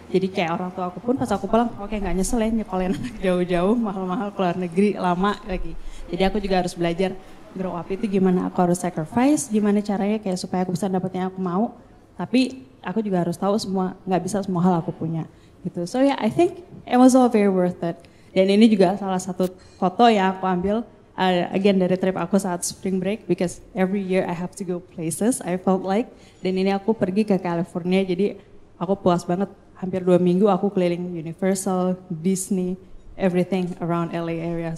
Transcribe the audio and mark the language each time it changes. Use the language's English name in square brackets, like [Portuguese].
[Indonesian] Jadi kayak orang tua aku pun pas aku pulang, oke gak nyesel ya nyekolin anak jauh-jauh, mahal-mahal keluar negeri, lama lagi. Jadi aku juga harus belajar grow up itu gimana aku harus sacrifice, gimana caranya kayak supaya aku bisa dapet yang aku mau. Tapi aku juga harus tahu semua, gak bisa semua hal aku punya gitu. [English] So yeah, I think it was all very worth it. [Indonesian] Dan ini juga salah satu foto yang aku ambil. Again, dari trip aku saat spring break, [English] because every year I have to go places, I felt like. [Indonesian] Dan ini aku pergi ke California, jadi aku puas banget. Hampir 2 minggu aku keliling Universal, Disney, everything around LA area.